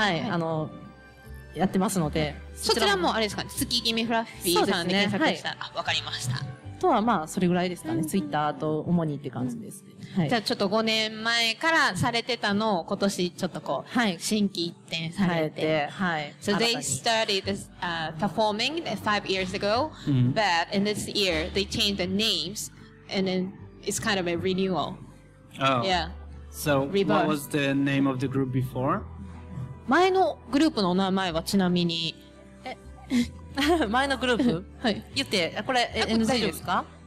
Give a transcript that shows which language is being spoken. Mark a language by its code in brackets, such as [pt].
[ja] はいはい、やってますので、そちらもあれですか、月決めフラッフィーさんで検索したら、ね、はい、あ、わかりました。あとはまあそれぐらいですかね、うん、Twitter と主にって感じです、うん、はい、じゃあちょっと5年前からされてたのを今年ちょっとこう、はい、新規一転されて、はい、 [en] So they started this, performing 5 years ago、うん、but in this year they changed the names and then it's kind of a renewal. Oh yeah. So、Rebirth. What was the name of the group before? [ja] 前のグループの名前はちなみに前のグループ、はい、言ってこれ NG ですか？